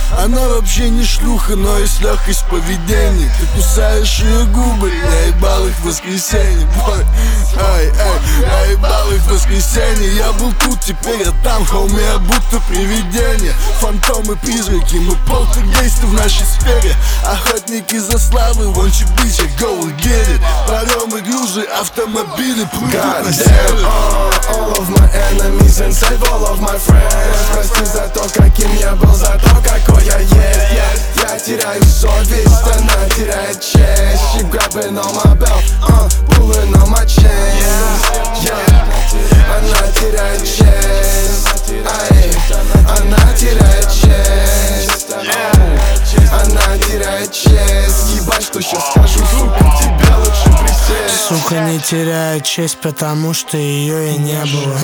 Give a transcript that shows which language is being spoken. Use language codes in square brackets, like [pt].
[ru] Она вообще не шлюха, но есть легкость поведения. Ты кусаешь ее губы, я ебал их в воскресенье. Я ебал их в воскресенье. Я был тут, теперь я там, хоуми, я будто привидение. Фантомы, призраки, мы полтергейсты в нашей сфере. Охотники за славы, [en] won't you be here, go and get it. [ru] Паромы, грузы, автомобили, плывут на север. [en] All of my enemies and save all of my friends. [ru] Прости за то, каким я был, за то, какой я есть. Я теряю совесть, она теряет честь. [en] She grabbing on my belt, pulling on my chain. [ru] Она теряет честь, ай, она теряет честь. Она теряет честь, ебать, что сейчас скажу, сука, тебе лучше присесть. Сука не теряет честь, потому что ее и не было.